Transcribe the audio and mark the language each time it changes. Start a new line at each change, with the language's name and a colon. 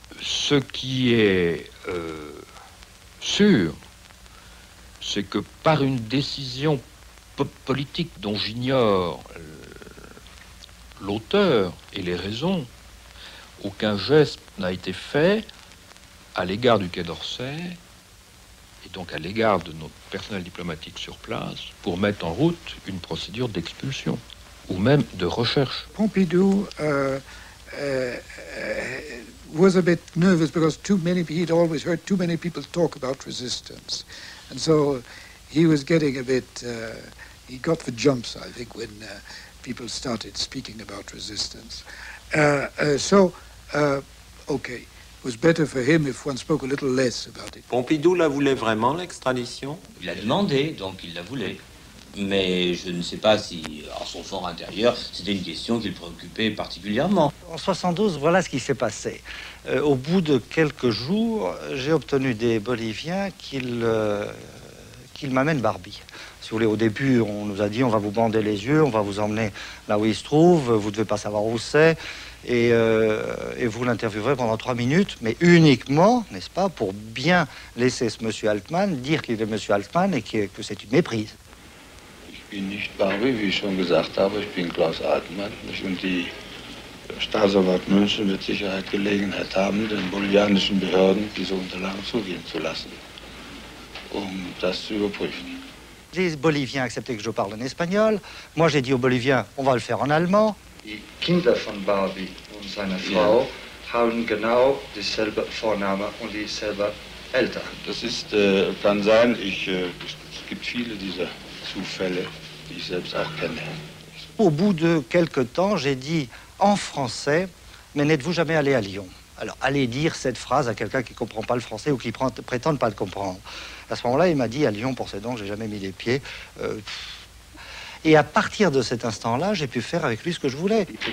French: Ce qui est sûr, c'est que par une décision politique dont j'ignore l'auteur et les raisons, aucun geste n'a été fait à l'égard du Quai d'Orsay et donc à l'égard de notre personnel diplomatique sur place pour mettre en route une procédure d'expulsion ou même de recherche.
English: Pompidou was a bit nervous because he'd always heard too many people talk about resistance. And so he was getting a bit, he got the jumps, I think, when people started speaking about resistance. Okay, it was better for him if one spoke a little less about it.
French: Pompidou la voulait vraiment, l'extradition? Il l'a demandé, donc il la voulait. Mais je ne sais pas si, en son fort intérieur, c'était une question qui le préoccupait particulièrement. En 72, voilà ce qui s'est passé. Au bout de quelques jours, j'ai obtenu des Boliviens qu'ils m'amènent Barbie. Si vous voulez, au début, on nous a dit, on va vous bander les yeux, on va vous emmener là où il se trouve, vous ne devez pas savoir où c'est, et vous l'interviewerez pendant 3 minutes, mais uniquement, n'est-ce pas, pour bien laisser ce monsieur Altman dire qu'il est monsieur Altman et que c'est une méprise.
German: Ich bin nicht Barbie, wie ich schon gesagt habe. Ich bin Klaus Altman. Und die Staatsanwalt München wird Sicherheit Gelegenheit haben, den bolivianischen Behörden diese Unterlagen zugehen zu lassen, um das zu überprüfen.
French: Les Boliviens acceptaient que je parle en espagnol. Moi, j'ai dit aux Boliviens, on va le faire en allemand.
German: Die Kinder von Barbie und seiner Frau haben genau dieselbe Vorname und dieselbe Eltern. Das ist, kann sein, es gibt viele dieser Zufälle, die ich selbst auch kenne.
French: Au bout de quelques temps, j'ai dit en français, mais n'êtes-vous jamais allé à Lyon? Alors, allez dire cette phrase à quelqu'un qui ne comprend pas le français ou qui prétend ne pas le comprendre. À ce moment-là, il m'a dit à Lyon, pour ses dents, je n'ai jamais mis les pieds. Et à partir de cet instant-là, j'ai pu faire avec lui ce que je voulais.